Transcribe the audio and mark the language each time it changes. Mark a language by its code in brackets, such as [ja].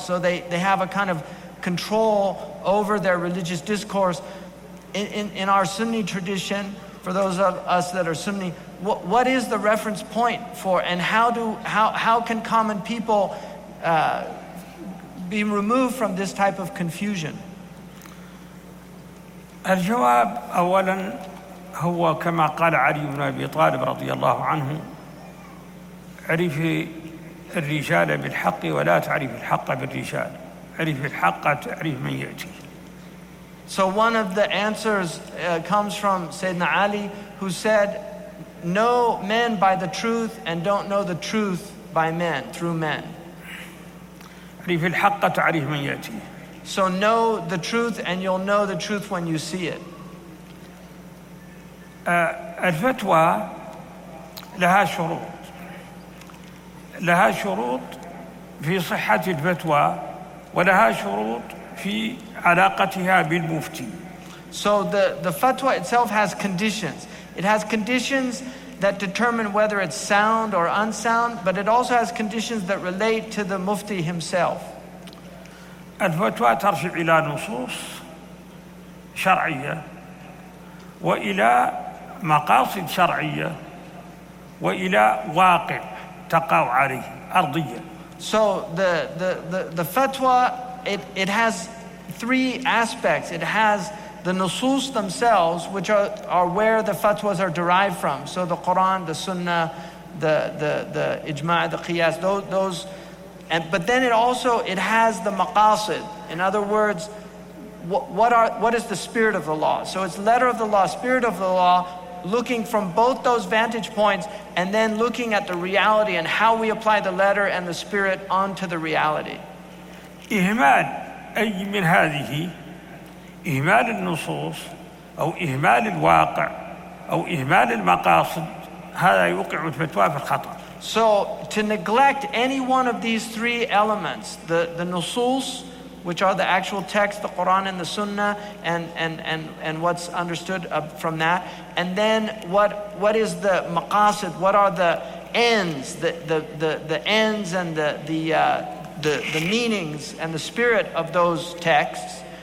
[en] So they have a kind of control over their religious discourse. In our Sunni tradition, for those of us that are Sunni, what is the reference point for, and how can common people be removed from this type of confusion? [ar] الجواب أولا هو كما قال علي بن أبي طالب رضي الله عنه عرف الرجال بالحق ولا تعرف الحق بالرجال عرف الحق تعرف من يأتي. [en] So one of the answers comes from Sayyidina Ali who said know men by the truth and don't know the truth by men through men. [ar] عرف الحق تعرف من يأتي. [en] So know the truth and you'll know the truth when you see it. [ar] الفتوى لها شروط. لها شروط في صحة الفتوى ولها شروط في علاقتها بالمفتي. [en] So the fatwa itself has conditions. It has conditions that determine whether it's sound or unsound, but it also has conditions that relate to the mufti himself. [ar] الفتوى ترجع إلى نصوص شرعية وإلى مقاصد شرعية وإلى واقع تقع عليه أرضية. [en] So the fatwa it has three aspects. It has the nusus themselves, which are where the fatwas are derived from. So the Quran, the Sunnah, the ijma, the qiyas, those. And, but then it also, it has the maqasid, In other words, what is the spirit of the law? So it's letter of the law, spirit of the law, looking from both those vantage points and then looking at the reality and how we apply the letter and the spirit onto the reality. [ar] إهمال أي من هذه إهمال النصوص أو إهمال الواقع أو إهمال المقاصد هذا يوقع الفتوى في الخطأ. [en] So to neglect any one of these three elements, the nusus, which are the actual text, the Quran and the Sunnah, and what's understood from that, and then what is the maqasid, what are the ends, the ends and the meanings and the spirit of those texts.